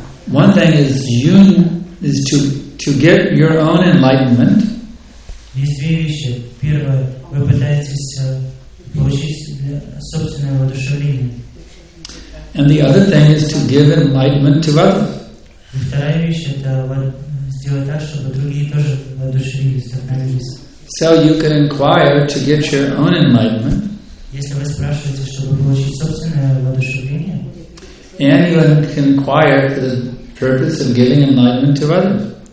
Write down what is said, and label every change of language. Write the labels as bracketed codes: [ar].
[en] One thing is to get your own enlightenment. [ru] Есть две вещи. Первое, вы пытаетесь получить собственное воодушевление. [en] And the other thing is to give enlightenment to others. [ru] И вторая вещь это сделать так, чтобы другие тоже воодушевились, вдохновились. [en] So you can inquire to get your own enlightenment. [ru] Если вы спрашиваете, чтобы получить собственное воодушевление. [en] And you can inquire for the purpose of giving enlightenment to others.